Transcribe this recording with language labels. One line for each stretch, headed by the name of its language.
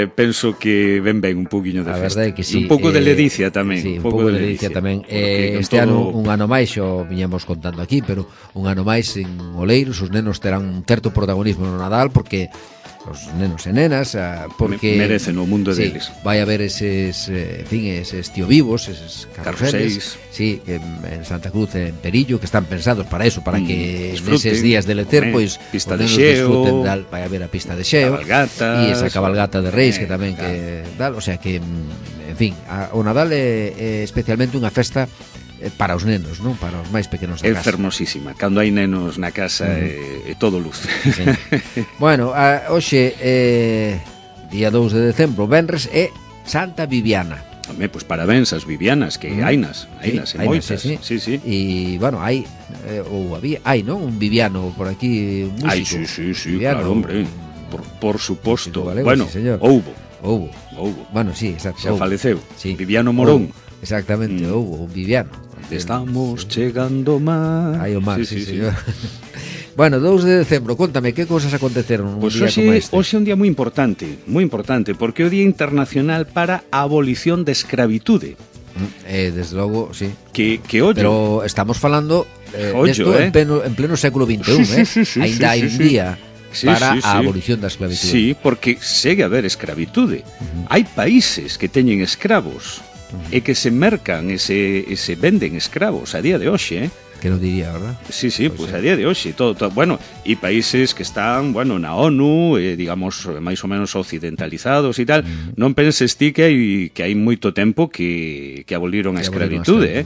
Galician: Penso que ven ben un poquinho de a festa. A verdade que sí. Un pouco de ledicia tamén, sí, un pouco de ledicia tamén. Este ano un ano máis, o viñemos contando aquí, pero un ano máis en Oleiros, os nenos terán un certo protagonismo no Nadal, porque os nenos e nenas, porque merecen o mundo, sí, deles. Vai a ver eses, en fin, eses tío vivos, eses carruseles, sí, en Santa Cruz, en Perillo, que están pensados para eso, para que neses días de lecer, pois, pista de xeo, dal, vai a ver a pista de xeo, e esa cabalgata de Reis, que tamén, que dal, o sea que, en fin, o Nadal é especialmente unha festa para os nenos, non? Para os máis pequenos da casa. É fermosísima. Cando hai nenos na casa, é todo luz. Sí. Bueno, hoxe, día 2 de decembro, venres, é Santa Viviana. Home, pois parabéns ás Vivianas, que hainas, hainas, sí, e moitas. Sí, sí, sí. E, bueno, hai, ou había, hai, non? Un Viviano por aquí, un músico. Ai, sí, sí, sí, Viviano, claro, hombre. Por suposto. Galego, bueno, sí, señor. Houbo. Bueno, sí, exacto. Xa faleceu. Sí. Viviano Morón. Houbo. Exactamente, houve un Viviano. Estamos chegando máis. Aí o máis, sí, sí, sí, señor. Bueno, 2 de decembro, contame, ¿qué cosas aconteceron?
Spanish: Pues hoy es un día muy importante, porque hoy día internacional para abolición de esclavitud. Desde luego, sí. Que hoy. Pero estamos hablando en pleno século XXI, sí, sí, sí,
Galician: ainda sí,
Spanish: hay un día para a abolición da esclavitud.
Galician: Sí, porque segue a haber esclavitud. Hai países que teñen escravos e que se mercan e se venden escravos a día de hoxe, Que non diría, ¿verdad? Sí, sí, pois pues a día de hoxe, todo, bueno, e países que están, bueno, na ONU, digamos, máis ou menos occidentalizados e tal, non penses ti que hai moito tempo que aboliron a esclavitud,